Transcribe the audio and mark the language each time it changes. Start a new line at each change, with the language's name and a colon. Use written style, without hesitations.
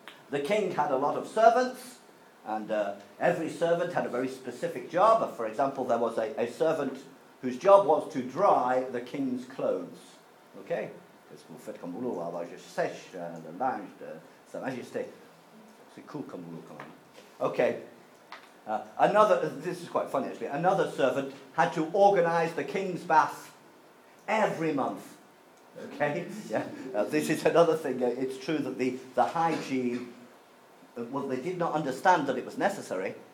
English: The king had a lot of servants, and every servant had a very specific job. For example, there was a servant whose job was to dry the king's clothes.
French: Okay, qu'est-ce que vous faites comme boulot? Alors je sèche le linge de Sa Majesté. C'est cool comme boulot quand même.
English: Okay, this is quite funny actually. Another servant had to organize the king's bath every month. Okay, yeah. This is another thing. It's true that the hygiene, well, they did not understand that it was necessary.